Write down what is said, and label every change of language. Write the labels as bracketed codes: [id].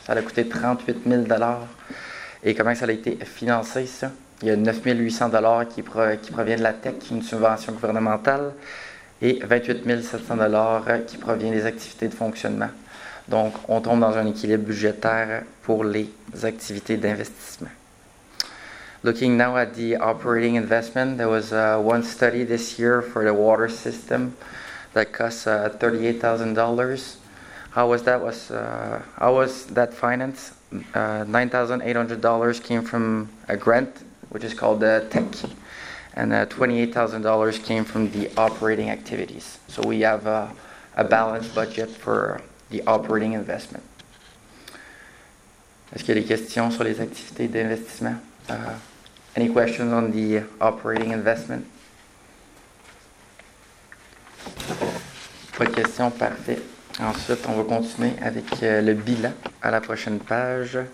[fr] Ça a coûté 38 000 $. Et comment ça a été financé, ça? Il y a 9 800 $ qui provient de la tech, une subvention gouvernementale, et 28 700 $ qui provient des activités de fonctionnement. Donc, on tombe dans un équilibre budgétaire pour les activités d'investissement. [en] Looking now at the operating investment, there was one study this year for the water system that cost $38,000. How was that financed? $9,800 came from a grant, which is called the tech, and $28,000 came from the operating activities. So we have a balanced budget for the operating investment. [fr] Est-ce qu'il y a des questions sur les activités d'investissement? [en] Any questions on the operating investment? [fr] Pas de questions, parfait. Ensuite, on va continuer avec le bilan à la prochaine page.